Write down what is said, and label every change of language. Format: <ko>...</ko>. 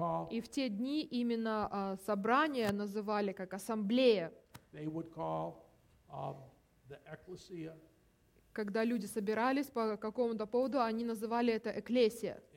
<ru>И в те дни именно собрание называли как ассамблея.</ru> <en>They would call, the ecclesia.</en> <ru>Когда люди собирались по какому-то поводу, они называли это экклесия.</ru>